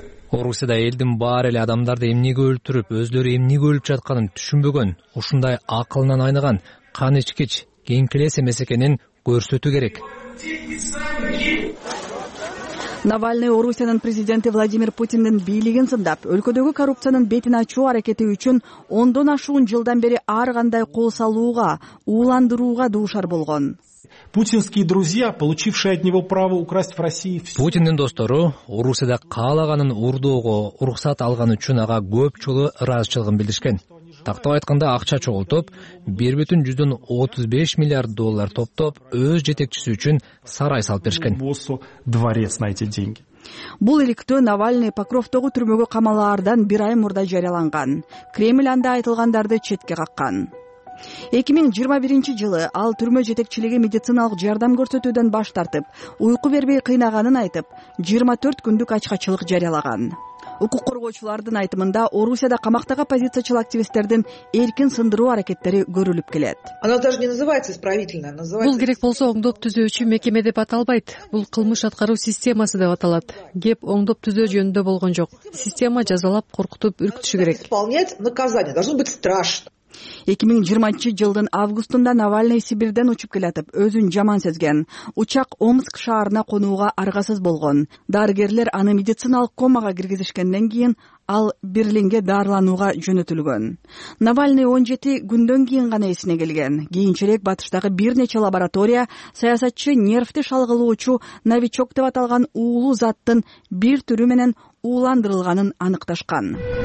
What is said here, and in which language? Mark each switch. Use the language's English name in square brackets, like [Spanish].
[Kyrgyz] Орусияда элдин баары эле адамдарды эмнеге өлтүрүп, өзлөрү эмнеге өлүп жатканын түшүнбөгөн, ушундай акылынан айныган, кан ичкич, кеңкелес эмес экенин көрсөтүү керек. Навальный Орусиянын президенти Владимир Путиндин бийлигин сындап, өлкөдөгү коррупциянын бетин ачуу аракети үчүн 10 ашуун жылдан бери ар кандай кол салууга, уландырууга дуушар болгон. [Russian] Путинские друзья, получившие от него право украсть в России. [Kyrgyz] Путиндин достору Орусияда каалаганын урдоого уруксат алган үчүн ага көп жолу ыраазычылыгын билдиришкен. Тактап айтканда, акча чогултуп, 1,135 миллиард доллар топтоп, өз жетекчиси үчүн сарай салып беришкен. Бул иликтөө Навальный Покровтогу түрмөгө камалаардан бир ай мурда жарыяланган. Кремль анда айтылгандарды четке каккан. 2021 жылы ал түрмө жетекчилиги медициналык жардам көрсөтүүдөн баш тартып, уйку бербей кыйнаганын айтып, 24 күндүк ачкачылык жарыялаган. Укук коргоочулардын айтымында Орусияда камактагы оппозициячыл активисттердин эркин сындыруу аракеттери көрүлүп келет. [Russian] Она даже не называется исправительная, называется. [Kyrgyz] Бул керек болсо оңдоп түзөөчү мекеме деп аталбайт. Бул кылмыш аткаруу системасы деп аталат. Кеп оңдоп түзөө жөнүндө болгон жок. Система жазалап, коркутуп, үркүтүшү керек. [Russian] Исполнять наказание должно быть страшно. [Kyrgyz] 2020 жылдын августунда Навальный Сибирден учуп келатып, өзүн жаман сезген. Учак Омск шаарына конууга аргасыз болгон. Дарыгерлер аны медициналык комага киргизишкенден кийин ал Берлинге дарыланууга жөнөтүлгөн. Навальный 17 күндөн кийин гана эсине келген. Кийинчерээк батыштагы бир нече лаборатория саясатчы нервти шалгылоочу новичок деп аталган уулуу заттын бир түрү менен ууландырылганын аныкташкан.